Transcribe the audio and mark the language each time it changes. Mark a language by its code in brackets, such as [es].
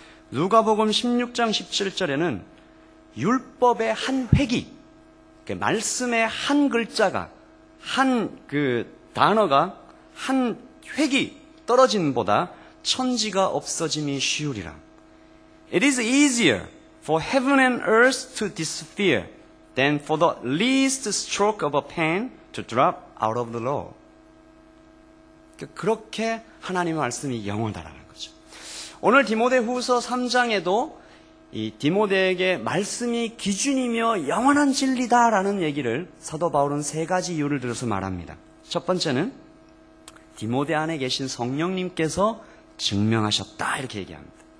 [ko] 누가복음 16장 17절에는 율법의 한 획이, 그 말씀의 한 글자가, 한 그 단어가, 한 획이 떨어진 보다 천지가 없어짐이 쉬우리라. [en] It is easier for heaven and earth to disappear than for the least stroke of a pen to drop out of the law. [ko] 그렇게 하나님의 말씀이 영원하다라는 거죠. 오늘 디모데후서 3장에도 이 디모데에게 말씀이 기준이며 영원한 진리다라는 얘기를 사도 바울은 세 가지 이유를 들어서 말합니다. 첫 번째는 디모데 안에 계신 성령님께서 증명하셨다 이렇게 얘기합니다.